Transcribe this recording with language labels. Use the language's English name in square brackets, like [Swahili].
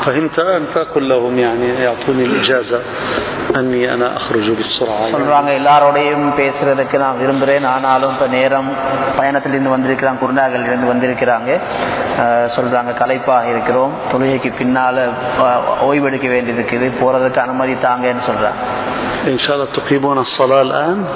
[Arabic] فهمت انت كلهم يعني يعطوني الاجازه اني انا اخرج بالسرعه. [Tamil] சொல்றாங்க எல்லாரோடையும் பேசுறதுக்கு நான் விரும்பறேன். ஆனாலும் இப்ப நேரம் பயணத்தில் இருந்து வந்திருக்கிறாங்க, குருநாகல் இருந்து வந்திருக்கிறாங்க. சொல்றாங்க களைப்பாக இருக்கிறோம், தொழுகைக்கு பின்னால ஓய்வெடுக்க வேண்டியிருக்குது, போறதுக்கு அனுமதி தாங்கன்னு சொல்றாங்க. [Arabic] ان شاء الله تقيمون الصلاه الان.